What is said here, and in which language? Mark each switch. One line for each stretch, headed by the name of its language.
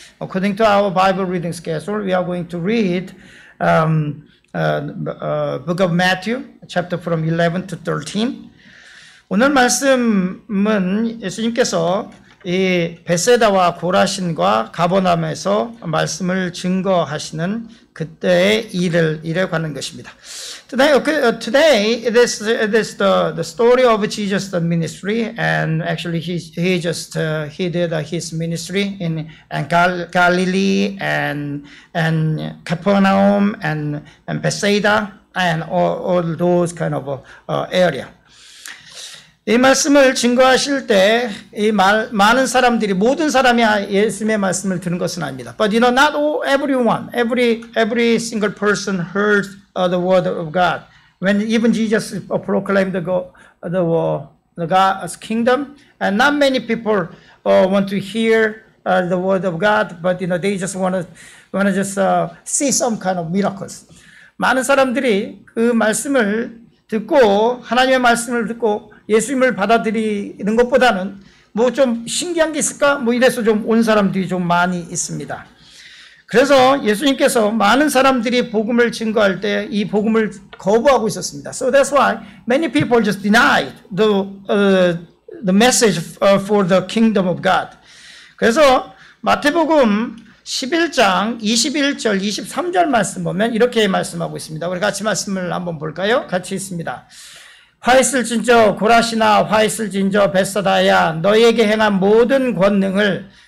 English: According to our Bible reading schedule, we are going to read Book of Matthew, chapter from 11 to 13.
Korean: 오늘 말씀은 예수님께서 이 베세다와 고라신과 가버나움에서 말씀을 증거하시는 그때의 일에 관한 것입니다.
English: Today it is the story of Jesus' ministry, and actually he did his ministry in Galilee and Capernaum and Bethsaida and all those kind of area.
Korean: 이 말씀을 증거하실 때 이 많은 사람들이 모든 사람이 예수님의 말씀을 들은 것은 아닙니다.
English: But you know, not all, everyone, every single person heard the word of God. When even Jesus proclaimed God's kingdom, and not many people want to hear the word of God. But you know, they just want to see some kind of miracles.
Korean: 많은 사람들이 그 말씀을 듣고 하나님의 말씀을 듣고 예수님을 받아들이는 것보다는 뭐 좀 신기한 게 있을까? 뭐 이래서 좀 온 사람들이 좀 많이 있습니다. 그래서 예수님께서 많은 사람들이 복음을 증거할 때 이 복음을 거부하고 있었습니다.
English: So that's why many people just denied the message for the kingdom of God.
Korean: 그래서 마태복음 11장 21절 23절 말씀 보면 이렇게 말씀하고 있습니다. 우리 같이 말씀을 한번 볼까요? 같이 있습니다. 화 있을진저 고라시나 화 있을진저 벳사다야 너희에게 행한 모든 권능을